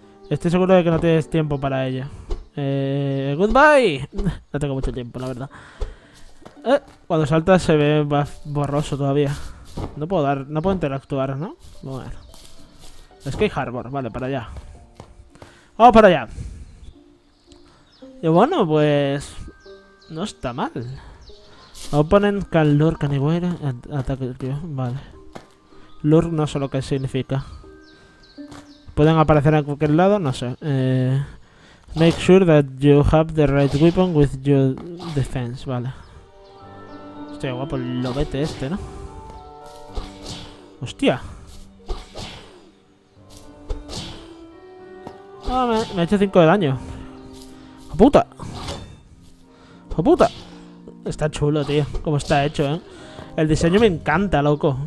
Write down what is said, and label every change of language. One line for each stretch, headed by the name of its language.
Spanish: Estoy seguro de que no tienes tiempo para ello. Goodbye. No tengo mucho tiempo, la verdad. Cuando salta se ve más borroso todavía. No puedo interactuar, ¿no? Bueno. Sky Harbor, vale, para allá. Vamos para allá. Y bueno, pues... No está mal.
English: Opponent can lure anywhere.
Spanish: Ataque el tío, vale. Lure no sé lo que significa. Pueden aparecer en cualquier lado, no sé.
English: Make sure that you have the right weapon with your defense, vale.
Spanish: Hostia, guapo el lobete este, ¿no? Hostia. Ah, me ha hecho 5 de daño. ¡Joputa! ¡Joputa! Está chulo, tío, como está hecho, ¿eh? El diseño me encanta, loco.